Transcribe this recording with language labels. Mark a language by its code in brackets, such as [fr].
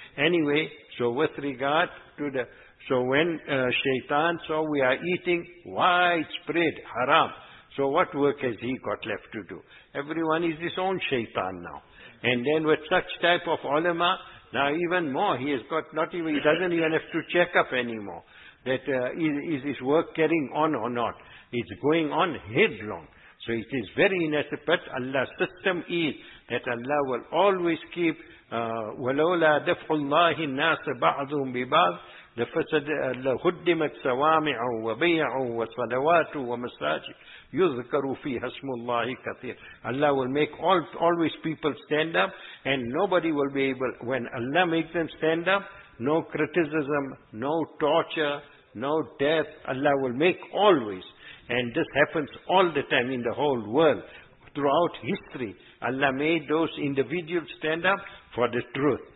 [en] Anyway, so with regard to the, so when Shaitan saw we are eating widespread haram, so what work has he got left to do? Everyone is his own Shaitan now. And then with such type of ulama, now even more, he has got not even, he doesn't even have to check up anymore that is his work carrying on or not. It's going on headlong. So it is very necessary, but Allah's system is that Allah will always keep [ar] وَلَوْلَا دَفْعُ اللَّهِ النَّاسَ بَعْضُهُمْ بِبَعْضٍ لَهُدِّمَتْ سَوَامِعُ وَبَيْعُ وَصَلَوَاتُ وَمَسَاجِدُ يُذْكَرُ فِيهَا اسْمُ اللَّهِ كَثِيرٌ. [en] Allah will make always people stand up, and nobody will be able, when Allah makes them stand up, no criticism, no torture, no death, Allah will make always. And this happens all the time in the whole world. Throughout history, Allah made those individuals stand up for the truth.